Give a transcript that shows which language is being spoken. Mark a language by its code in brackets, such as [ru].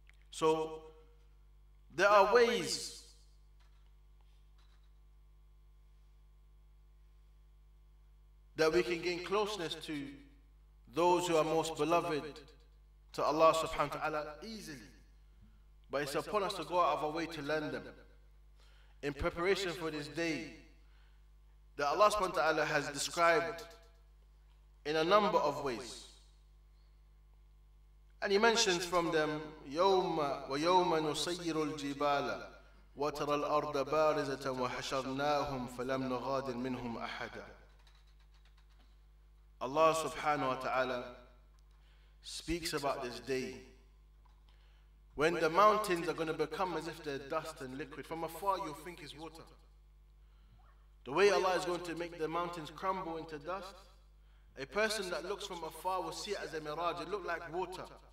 [en] So there are ways that we can gain closeness to those who are most beloved to Allah subhanahu wa ta'ala easily. But it's upon us to go out of our way to learn them in preparation for this day that Allah subhanahu wa ta'ala has described in a number of ways. And he mentions from them, [ar] يَوْمَ وَيَوْمَ نُصَيِّرُ الْجِبَالَ وَتَرَى الْأَرْضَ بَارِزَةً وَحَشَرْنَاهُمْ فَلَمْ نُغَادِرْ مِنْهُمْ أَحَدًا. [en] Allah subhanahu wa ta'ala speaks about this day when the mountains are going to become as if they're dust and liquid. From afar you'll think it's water. The way Allah is going to make the mountains crumble into dust, a person that looks from afar will see it as a mirage. It looked like water.